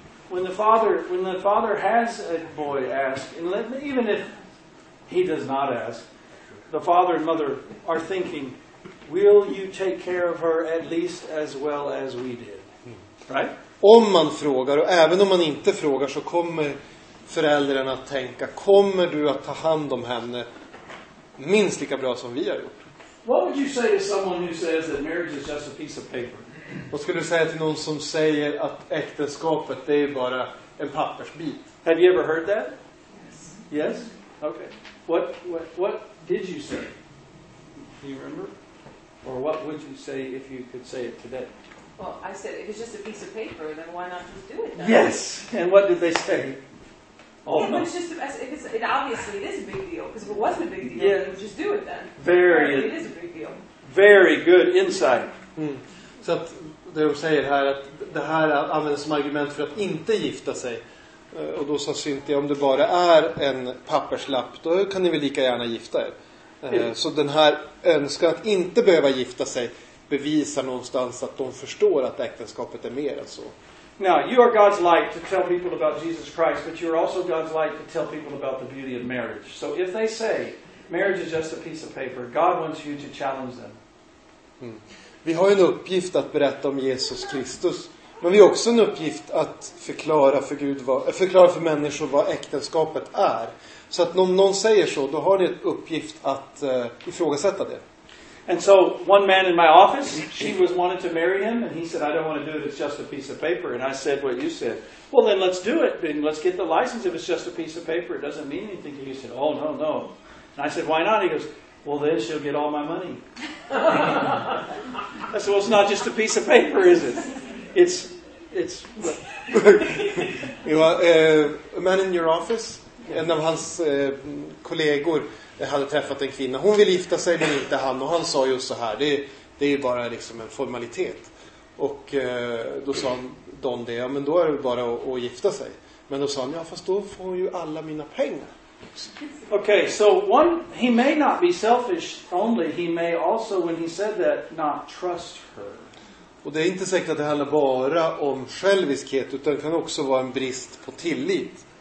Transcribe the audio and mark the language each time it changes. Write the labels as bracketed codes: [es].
[en] When the father has a boy ask, and even if he does not ask, the father and mother are thinking, will you take care of her at least as well as we did? Right? [sv] Om man frågar, och även om man inte frågar, så kommer föräldrarna att tänka, kommer du att ta hand om henne minst lika bra som vi har gjort? [en] What would you say to someone who says that marriage is just a piece of paper? [sv] Vad skulle du säga till någon som säger att äktenskapet det är bara en pappersbit? [en] Have you ever heard that? Yes? Okay. What did you say? Do you remember? Or what would you say if you could say it today? Well, I said if it's just a piece of paper, then why not just do it then? Yes. And what did they say? Oh, yeah, no. It obviously it is a big deal, because if it wasn't a big deal, yeah, then we'd just do it then. Very. It is a big deal. Very good insight. [sv] Så att de säger här att det här används som argument för att inte gifta sig. Och då sa Cynthia, om det bara är en papperslapp, då kan ni väl lika gärna gifta er. Så den här önskan att inte behöva gifta sig bevisar någonstans att de förstår att äktenskapet är mer än så. [en] Now, you are God's light to tell people about Jesus Christ, but you are also God's light to tell people about the beauty of marriage. So if they say, marriage is just a piece of paper, God wants you to challenge them. [sv] Vi har en uppgift att berätta om Jesus Kristus. Men vi har också en uppgift att förklara för Gud förklara för människor vad äktenskapet är. Så att om någon säger så, då har ni en uppgift att ifrågasätta det. [en] And so one man in my office, she was wanted to marry him, and he said, I don't want to do it, it's just a piece of paper. And I said what you said. Well, then let's do it, and let's get the license. If it's just a piece of paper, it doesn't mean anything to you. He said, oh, no, no. And I said, why not? He goes, well, then she'll get all my money. I said, well, it's not just a piece of paper, is it? It's... You know, a man in your office, [sv] en av hans kollegor, hade träffat en kvinna. Hon vill gifta sig, men inte han. Och han sa ju så här, det är ju bara liksom en formalitet. Och då sa Don det, ja, men då är det bara att gifta sig. Men då sa han, ja, fast då får hon ju alla mina pengar. [en] Okay, so one, he may not be selfish only, he may also, when he said that, not trust her. [sv] Och det är inte säkert att det handlar bara om själviskhet, utan det kan också vara en brist på tillit.